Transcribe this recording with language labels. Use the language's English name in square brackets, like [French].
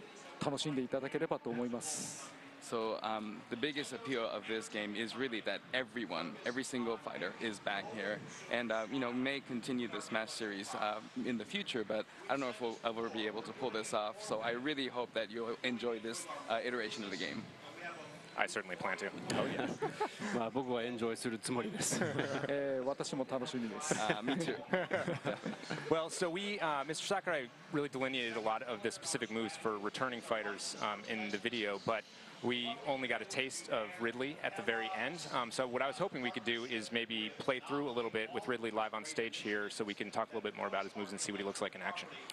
[Japanese] 今回とにかく今回の売りというのは全員登場を果たしたということです。これからスマッシュブラザーズシリーズというのはもしかしたら続くかもしれませんが、ここまでやるのはもうほとんどないんじゃないかなとは思うんですよね。ぜひ楽しんでいただければと思います。So [English] the biggest appeal of this game is really that every single fighter is back here and you know may continue the Smash series in the future, but I don't know if we'll ever be able to pull this off. So I really hope that you'll enjoy this iteration of the game. I certainly plan to. Oh yes. [Japanese] まあ僕はエンジョイするつもりです。私も楽しみです。 [English] Me too. Well, so we Mr. Sakurai really delineated a lot of the specific moves for returning fighters in the video, but we only got a taste of Ridley at the very end. So what I was hoping we could do is maybe play through a little bit with Ridley live on stage here so we can talk a little bit more about his moves and see what he looks like in action.